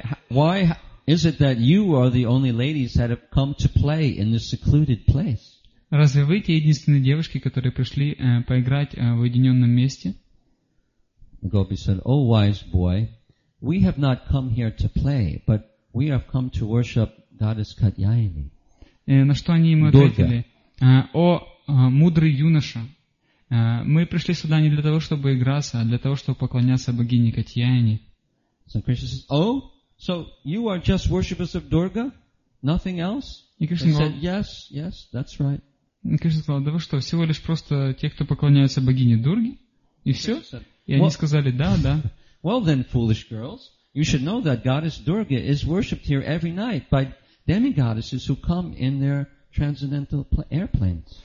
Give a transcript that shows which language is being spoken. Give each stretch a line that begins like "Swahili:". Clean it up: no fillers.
English: Why is it that you are the only ladies that have come to play in this secluded place?
Russian: Разве вы те единственные девушки, которые пришли поиграть в уединенном месте?
English: Gopi said, "Oh, wise boy, we have not come here to play, but we have come to worship goddess Katyayani."
Russian: На что они ему ответили: "О, мудрый юноша, мы пришли сюда не для того, чтобы играться, а для того, чтобы поклоняться богине Катьяйне."
English: So Krishna says, "Oh, so you are just worshippers of Durga? Nothing else?"
Russian: И Кришна
English: said, "Yes, yes, that's right."
Russian: Кришна сказал, да вы что, всего лишь просто те, кто поклоняются богине Дурге? И все? И они сказали, да, да.
English: Well then, foolish girls, you should know that goddess Durga is worshipped here every night by demigoddesses who come in their transcendental airplanes.